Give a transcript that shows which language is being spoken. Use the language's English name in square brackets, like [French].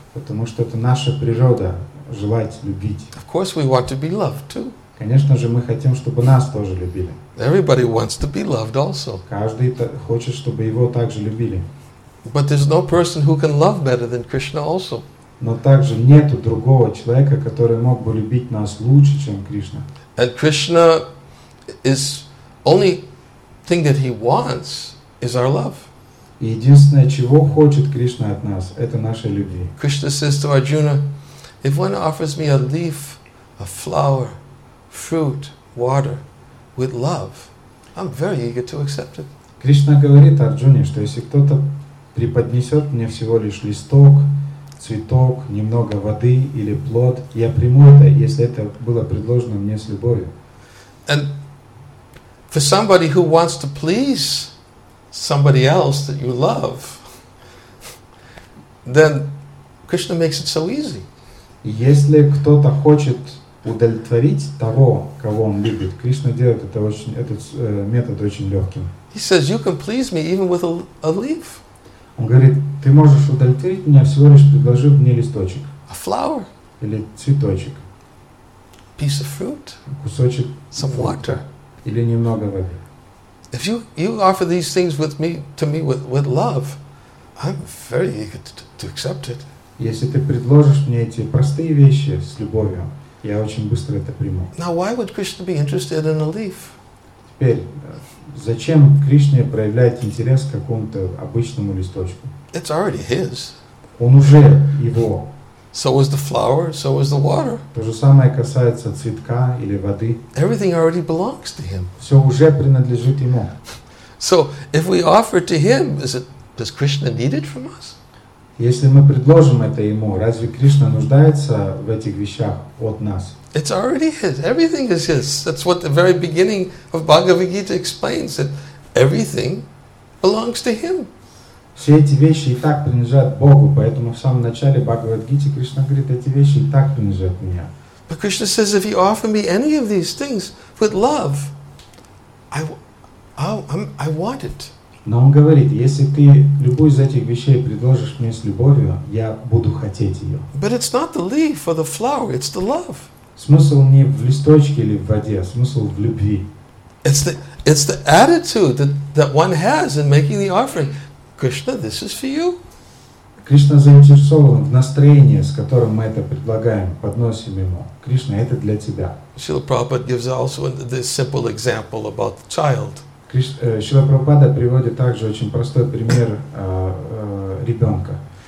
[Russian] Потому что это наша природа желать любить. [English] Of course we want to be loved too. [Russian] Конечно же мы хотим, чтобы нас тоже любили. [English] Everybody wants to be loved also. [Russian] Каждый хочет, чтобы его также любили. [English] But there's no person who can love better than Krishna also. [Russian] Но также нету другого человека, который мог бы любить нас лучше, чем Кришна. [English] And Krishna is only thing that he wants is our love. [Russian] И единственное, чего хочет Кришна от нас, это нашей любви. [English] Krishna says to Arjuna, if one offers me a leaf, a flower, fruit, water, with love, I'm very eager to accept it. [Russian] Кришна говорит Арджуне, что если кто-то преподнесет мне всего лишь листок, цветок, немного воды или плод, я приму это, если это было предложено мне с любовью. [English] And for somebody who wants to please somebody else that you love, then Krishna makes it so easy. [Russian] Если кто-то хочет удовлетворить того, кого он любит, Кришна делает это очень, этот метод очень легким. [English] He says, you can please me even with a leaf. [Russian] Он говорит, ты можешь удовлетворить меня, всего лишь предложив мне листочек. [English] A flower. [Russian] Или цветочек. [English] Piece of fruit. [Russian] Кусочек. [English] Some water. [Russian] Или немного воды. [English] If you offer these things with me, to me with love, I'm very eager to accept it. [Russian] Если ты предложишь мне эти простые вещи с любовью, я очень быстро это приму. [English] Now why would Krishna be interested in a leaf? [Russian] Теперь, зачем Кришне проявлять интерес к какому-то обычному листочку? [English] It's already his. [Russian] Он уже его. [English] So is the flower, so is the water. [Russian] То же самое касается цветка или воды. [English] Everything already belongs to him. [Russian] Все уже принадлежит ему. [English] So if we offer it to him, does Krishna need it from us? [Russian] Если мы предложим это ему, разве Кришна нуждается в этих вещах от нас? [English] It's already his. Everything is his. That's what the very beginning of Bhagavad Gita explains, that everything belongs to him. [Russian] Все эти вещи и так принадлежат Богу, поэтому в самом начале Бхагавад Гиты Кришна говорит, эти вещи и так принадлежат мне. [English] But Krishna says, if you offer me any of these things with love, I want it. [Russian] Но он говорит, если ты любую из этих вещей предложишь мне с любовью, я буду хотеть ее. [English] But it's not the leaf or the flower, it's the love. [Russian] Смысл не в листочке или в воде, смысл в любви. [English] It's the attitude that one has in making the offering. Krishna, this is for you. [Russian] Кришна заинтересован в настроении, с которым мы это предлагаем, подносим ему. Кришна, это для тебя. [English] Srila Prabhupada gives also this simple example about the child. [Russian] Шрила Прабхупада приводит также очень простой пример ребенка.